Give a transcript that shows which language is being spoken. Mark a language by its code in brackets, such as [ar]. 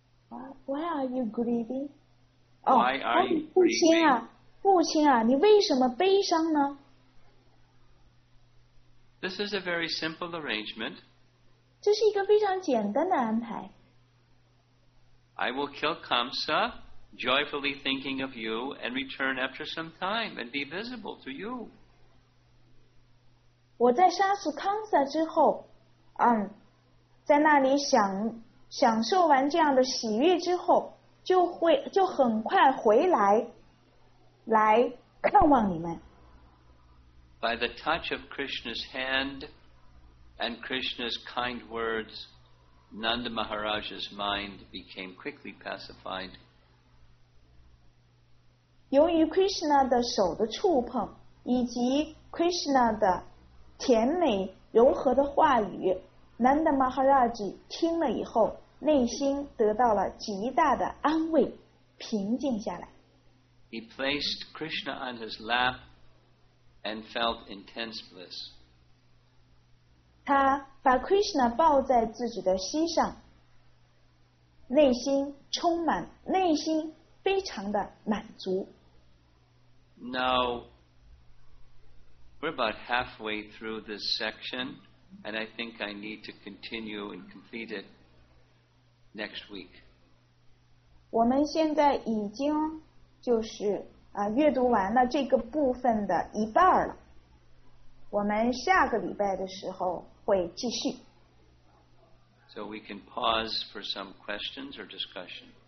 [en] Why are you grieving? Why are you grieving? [zh] 父亲啊，你为什么悲伤呢？ [en] This is a very simple arrangement. [zh] 这是一个非常简单的安排。 [en] I will kill Kamsa. Joyfully thinking of you and return after some time and be visible to you. [zh] 我在杀死康萨之后，在那里享受完这样的喜悦之后，就很快回来，来看望你们。 [en] By the touch of Krishna's hand and Krishna's kind words, Nanda Maharaj's mind became quickly pacified. [zh] 由于 Krishna 的手的触碰以及 Krishna 的甜美柔和的话语， Nanda Maharaj 听了以后内心得到了极大的安慰，平静下来。 [en] He placed Krishna on his lap and felt intense bliss. [zh] 他把 Krishna 抱在自己的膝上，内心充满，内心非常的满足。 [en] Now, we're about halfway through this section, and I think I need to continue and complete it next week. [zh] 我们现在已经就是阅读完了这个部分的一半了。我们下个礼拜的时候会继续。 [en] So we can pause for some questions or discussion.